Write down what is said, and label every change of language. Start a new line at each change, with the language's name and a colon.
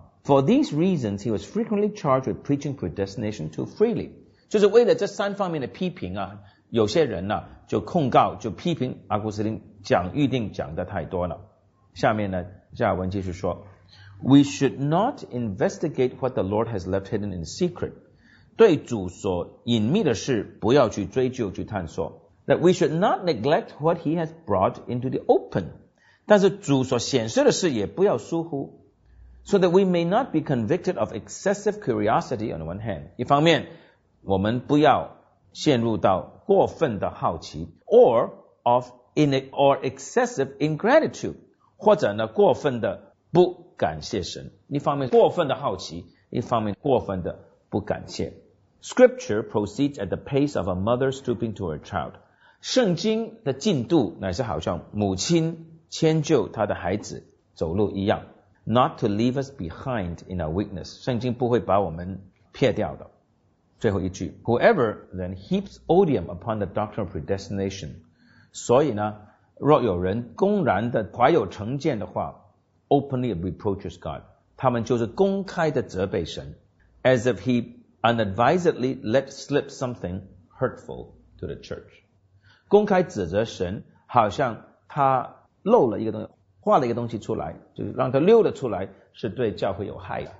English: For these reasons he was frequently charged with preaching predestination too freely，
Chinese: 就是为了这三方面的批评啊，有些人呢、啊、就控告就批评阿古斯丁讲预定讲的太多了。下面呢加尔文继续说，
English: We should not investigate what the Lord has left hidden in secret，
Chinese: 对主所隐秘的事不要去追究去探索。
English: That we should not neglect what he has brought into the open，
Chinese: 但是主所显示的事也不要疏忽。
English: So that we may not be convicted of excessive curiosity on one hand，
Chinese: 一方面我们不要陷入到过分的好奇，
English: or excessive ingratitude，
Chinese: 或者呢过分的不感谢神，一方面过分的好奇，一方面过分的不感谢。
English: Scripture proceeds at the pace of a mother stooping to her child，
Chinese: 圣经的进度乃是好像母亲迁就她的孩子走路一样。
English: Not to leave us behind in our weakness，
Chinese: 圣经不会把我们撇掉的。最后一句，
English: Whoever then heaps odium upon the doctrine of predestination，
Chinese: 所以呢若有人公然的怀有成见的话，
English: Openly reproaches God，
Chinese: 他们就是公开的责备神。
English: As if he unadvisedly let slip something hurtful to the church，
Chinese: 公开指责神，好像他漏了一个东西，画了一个东西出来，就是让他溜了出来，是对教会有害的。